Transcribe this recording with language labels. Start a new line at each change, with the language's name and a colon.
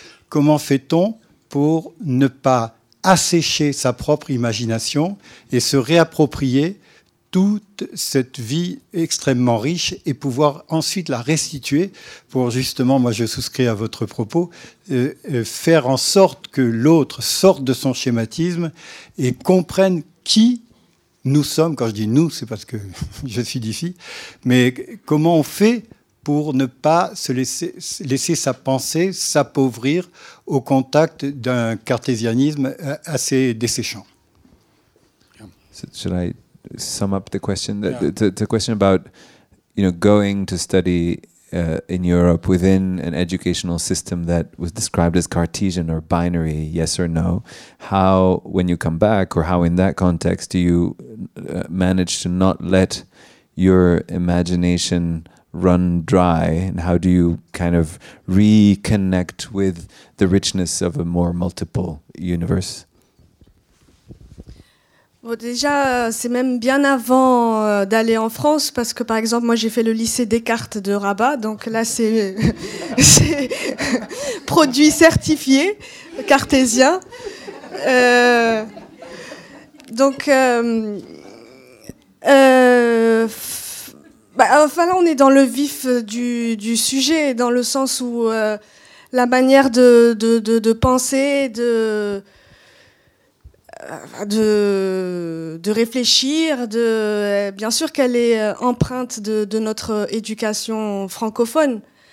French: comment fait-on pour ne pas assécher sa propre imagination et se réapproprier toute cette vie extrêmement riche et pouvoir ensuite la restituer pour, justement, moi je souscris à votre propos, faire en sorte que l'autre sorte de son schématisme et comprenne qui nous sommes. Quand je dis nous, c'est parce que je suis d'ici, mais comment on fait pour ne pas se laisser sa pensée s'appauvrir au contact d'un cartésianisme assez desséchant.
English: Should I sum up the question? The question about, you know, going to study in Europe within an educational system that was described as Cartesian or binary, yes or no, how, when you come back, or how in that context, do you manage to not let your imagination run dry, and how do you kind of reconnect with the richness of a more multiple universe?
French: Bon, déjà, c'est même bien avant d'aller en France, parce que par exemple, moi j'ai fait le lycée Descartes de Rabat, donc là c'est, c'est produit certifié cartésien. Enfin, là, on est dans le vif du sujet, dans le sens où la manière de penser, de réfléchir, bien sûr qu'elle est empreinte de notre éducation francophone.